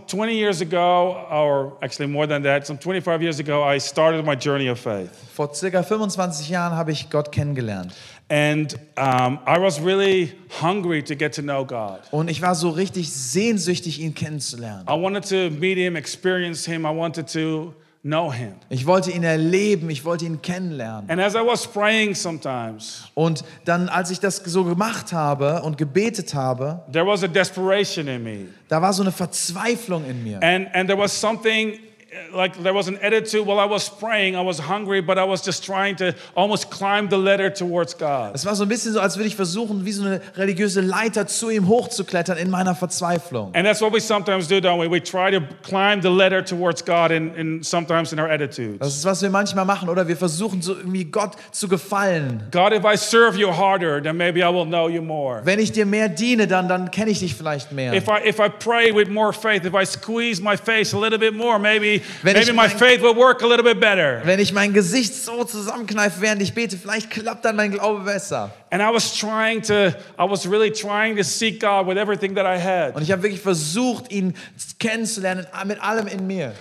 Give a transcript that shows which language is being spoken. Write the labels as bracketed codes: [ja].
[en] Some 20 years ago, or actually more than that, some 25 years ago, I started my journey of faith. [de] Vor circa 25 Jahren habe ich Gott kennengelernt. [en] And I was really hungry to get to know God. [de] Und ich war so richtig sehnsüchtig, ihn kennenzulernen. [en] I wanted to meet him, experience him. I wanted to know him. [de] Ich wollte ihn erleben, ich wollte ihn kennenlernen. [en] And as I was praying sometimes. [de] Und dann, als ich das so gemacht habe und gebetet habe, [en] there was a desperation in me. [de] Da war so eine Verzweiflung in mir. [en] And there was something. Like there was an attitude while I was praying, I was hungry, but I was just trying to almost climb the ladder towards God. [de] Es war so ein bisschen so, als würde ich versuchen, wie so eine religiöse Leiter zu ihm hochzuklettern in meiner Verzweiflung. [en] And that's what we sometimes do, don't we? We try to climb the ladder towards God in sometimes in our attitudes. [de] Das ist, was wir manchmal machen, oder? Wir versuchen so irgendwie Gott zu gefallen. [en] God, if I serve you harder, then maybe I will know you more. [de] Wenn ich dir mehr diene, dann kenne ich dich vielleicht mehr. [en] If I pray with more faith, if I squeeze my face a little bit more, maybe my faith will work a little bit better. [de] Wenn ich mein Gesicht so zusammenkneife, während ich bete, vielleicht klappt dann mein Glaube besser. [en] And I was really trying to seek God with everything that I had. [de] Und ich habe wirklich versucht, ihn kennenzulernen mit allem in mir.